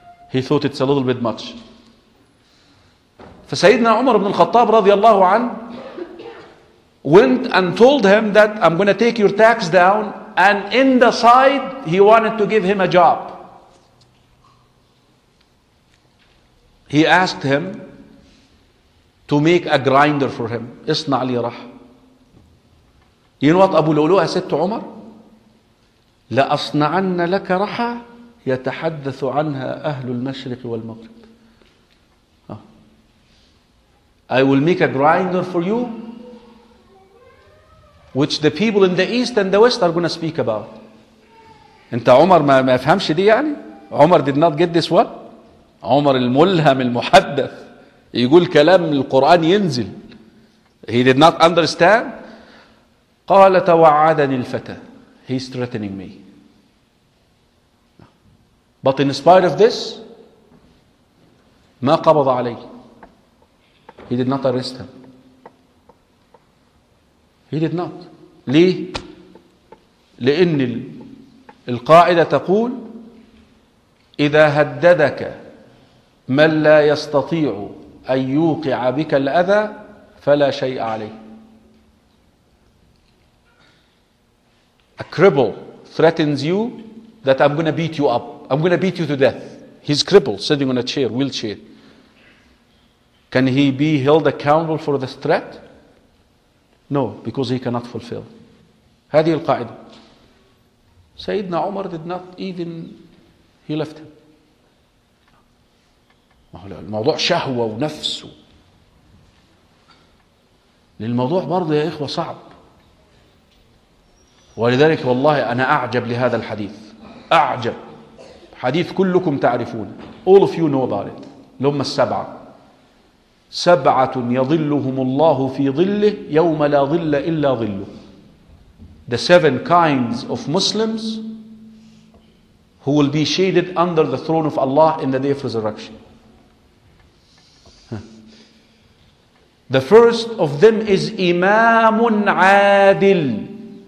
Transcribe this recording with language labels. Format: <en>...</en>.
<en>He thought it's a little bit much. فسيدنا عمر بن الخطاب رضي الله عنه went and told him that I'm going to take your tax down, and in the side he wanted to give him a job. He asked him to make a grinder for him.</en> <ar>اصنع لي رح.</ar> <en>You know what أبو لؤلؤة said to عمر?</en> <ar>لأصنعن لك رحا يتحدث عنها أهل المشرق والمغرب.</ar> <en>I will make a grinder for you which the people in the east and the west are going to speak about.</en> <ar>انت عمر ما فهمش دي يعني?</ar> <en>عمر did not get this one?</en> <ar>عمر الملهم المحدث. يقول كلام القرآن ينزل.</ar> <en>He did not understand. قال توعدني الفتى. He's threatening me. But in spite of this, ما قبض علي. He did not arrest him. He did not.</en> <ar>ليه؟ لأن القاعدة تقول إذا هددك من لا يستطيع أن يوقع بك الأذى فلا شيء عليه.</ar> <en>A cripple threatens you that I'm going to beat you up. I'm going to beat you to death. He's crippled, sitting on a chair, wheelchair. Can he be held accountable for this threat? No, because he cannot fulfill.</en> <ar>هذه القاعدة.</ar> <en>سيدنا عمر did not even, he left him.</en> <ar>الموضوع شهوة ونفس. للموضوع برضه يا إخوة صعب. ولذلك والله أنا أعجب لهذا الحديث. أعجب. حديث كلكم تعرفون. All of you know about it. لما السبعة. سبعة يظلهم الله في ظله يوم لا ظل إلا ظله.</ar> <en>The seven kinds of Muslims who will be shaded under the throne of Allah in the day of resurrection. The first of them is Imam Adil.</en>